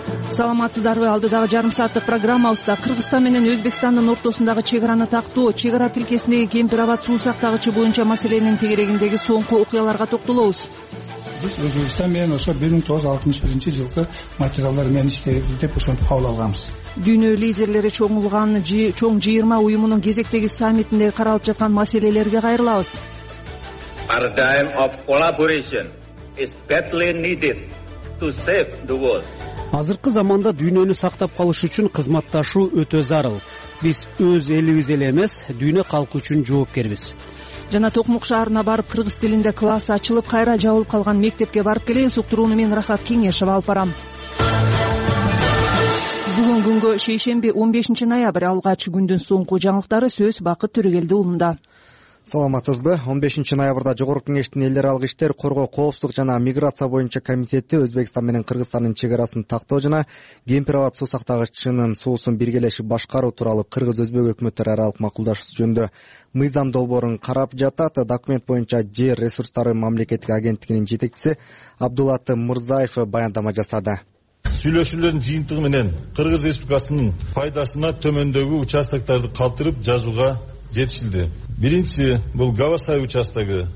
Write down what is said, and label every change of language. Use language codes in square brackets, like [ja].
[ky] Саламатсыздарбы, алдыдагы жарым сааттык программабызда Кыргызстан менен Өзбекстандын ортосундагы чек араны тактоо, чек ара тилкесиндеги Кемпир-Абад суу сактагычы боюнча маселенин тегерегиндеги соңку окуяларга токтолобуз. Биз Өзбекстан менен ошо 1961 жылкы материалдар менен иштейбиз деп ошентип кабыл алганбыз. Дүйнө лидерлери чогулган чоң 20 уюмунун кезектеги саммитинде каралып жаткан маселелерге кайрылабыз. [en] Our time of collaboration is badly needed to save the world. [ky] Азыркы заманда дүйнөнү сактап калыш үчүн кызматташуу өтө зарыл. Биз өз элибиз эле эмес, дүйнө калкы үчүн жоопкербиз. Жана Токмок шаарына барып, кыргыз тилинде класс ачылып, кайра жабылып калган мектепке барып келеңиз. Уктурууну мен Рахат Кеңешова алып барам. Бүгүн күнгө шейшемби, 15 ноябрь, алгач күндүн соңку жаңылыктары сөз Бакыт Төрөгелди улунда. Саламатсызбы. 15 ноябрда Жогорку Кеңештин элдер аралык иштер, коргоо, коопсуздук жана миграция боюнча комитети Өзбекстан менен Кыргызстандын чек арасын тактоо жана Кемпир-Абад суу сактагычынын суусун биргелешип башкаруу тууралуу кыргыз өзбек өкмөттөрү аралык макулдашуусу жөнүндө мыйзам долбоорун карап жатат. Документ боюнча жер ресурстары мамлекеттик агенттигинин жетекчиси Абдулатты Мырзаев баяндама жасады. Сүйлөшүүлөрдүн жыйынтыгы менен Кыргыз Республикасынын пайдасына төмөндөгү участоктарды калтырып жазууга жетишилди. Биринчиси бул Гавасай участогу.